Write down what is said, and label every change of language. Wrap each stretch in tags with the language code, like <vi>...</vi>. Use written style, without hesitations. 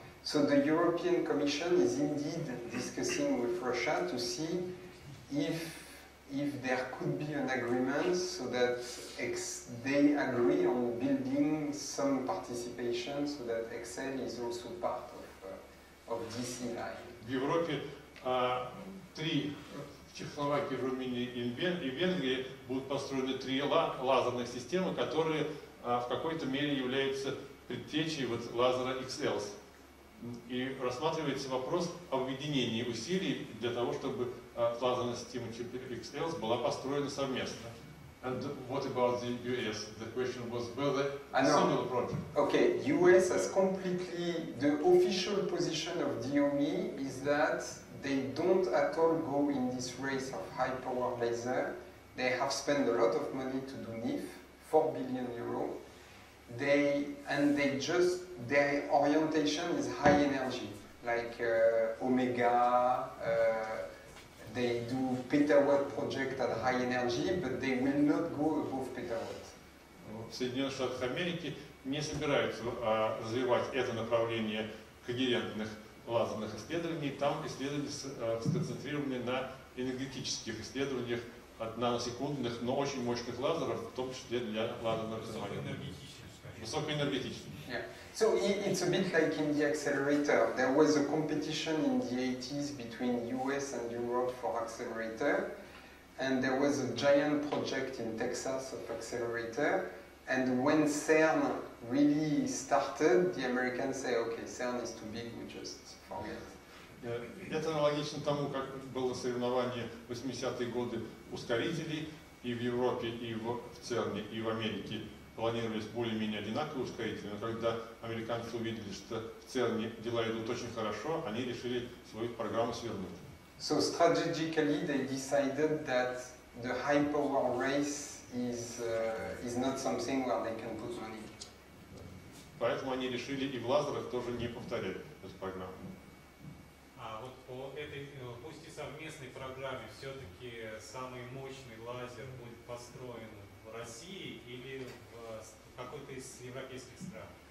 <en>So the European Commission is indeed discussing with Russia to see if there could be an agreement so that they agree on building some participation so that Excel is also part of this in line. In Europe, three.</en> <ru>В Чехословакии, в Румынии и Венгрии будут построены три лазерных системы, которые в какой-то мере являются предтечей вот лазера XL. И рассматривается вопрос о объединении усилий для того, чтобы лазерная система XL была построена совместно.</ru> <en>And what about the US? The question was whether a similar project. Okay, US has completely the official position of DOE is that they don't at all go in this race of high power laser. They have spent a lot of money to do NIF, 4 billion euro. Their orientation is high energy, like Omega. They do petawatt project at high energy, but they will not go above petawatt.</en> <ru>Соединенные Штаты Америки не собираются развивать это направление когерентных лазерных исследований, там исследования сконцентрированы на энергетических исследованиях от наносекундных, но очень мощных лазеров, в том числе для лазерного исследования. Высокоэнергетических.</ru> <en>Yeah. So it's a bit like in the accelerator. There was a competition in the 80s between US and Europe for accelerator, and there was a giant project in Texas of accelerator. And when CERN really started, the Americans say, okay, CERN is too big, we just forget.</en> <ru>Это аналогично тому, как было соревнование в 80-е годы ускорителей и в Европе, и в CERN, и в Америке. Планировались более-менее одинаковые ускорители, но когда американцы увидели, что в CERN дела идут очень хорошо, они решили свою программу свернуть.</ru> <en>So strategically they decided that the high power race is not something where they can put money.</en> <ru>Поэтому они решили и в лазерах тоже не повторять эту программу. А вот по этой, пусть и совместной программе, все-таки самый мощный лазер будет построен в России или в какой-то из европейских стран?</ru>